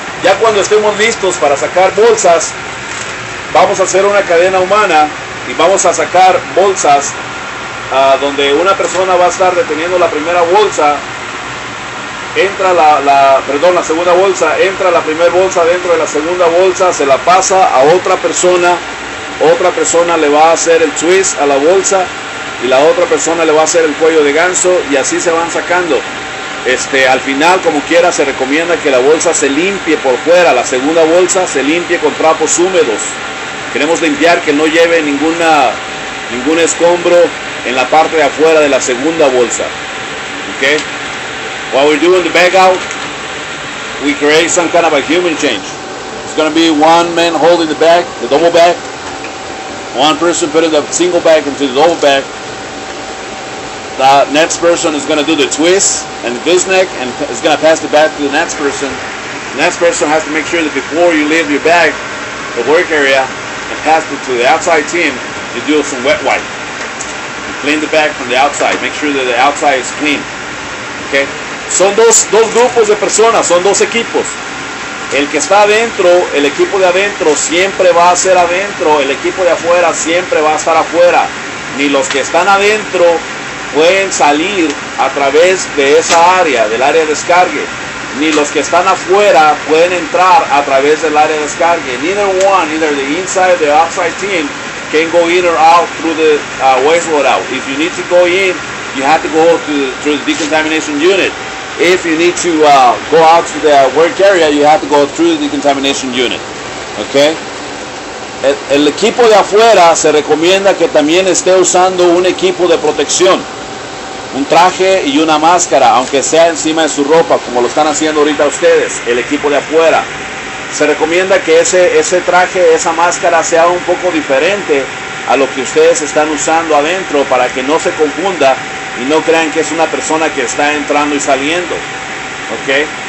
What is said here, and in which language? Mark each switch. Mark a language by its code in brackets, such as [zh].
[es] Ya cuando estemos listos para sacar bolsas, vamos a hacer una cadena humana y vamos a sacar bolsas donde una persona va a estar deteniendo la primera bolsa, entra la segunda bolsa, entra la primera bolsa dentro de la segunda bolsa, se la pasa a otra persona le va a hacer el twist a la bolsa y la otra persona le va a hacer el cuello de ganso y así se van sacando. Al final, como quiera, se recomienda que la bolsa se limpie por fuera, la segunda bolsa se limpie con trapos húmedos. Queremos limpiar que no lleve ningún escombro en la parte de afuera de la segunda bolsa. Okay? [en] While we're doing the bag out, we create some kind of a human change. It's going to be one man holding the bag, the double bag. One person putting the single bag into the double bag. The next person is going to do the twist and the gooseneck and is going to pass the bag to the next person. The next person has to make sure that before you leave your bag, the work area, and pass it to the outside team, you do some wet wipe. You clean the bag from the outside. Make sure that the outside is clean. Okay? [es] Son dos grupos de personas, son dos equipos. El que está adentro, el equipo de adentro siempre va a ser adentro. El equipo de afuera siempre va a estar afuera. Ni los que están adentro pueden salir a través de esa área, del área de descargue. Ni los que están afuera pueden entrar a través del área de descargue. [en] Neither one, either the inside or the outside team, can go in or out through the wastewater out. If you need to go in, you have to go through the decontamination unit. If you need to go out to the work area, you have to go through the decontamination unit. Okay? [es] El equipo de afuera se recomienda que también esté usando un equipo de protección, un traje y una máscara, aunque sea encima de su ropa, como lo están haciendo ahorita ustedes, el equipo de afuera. Se recomienda que ese traje, esa máscara sea un poco diferente a lo que ustedes están usando adentro para que no se confunda y no crean que es una persona que está entrando y saliendo. ¿Okay?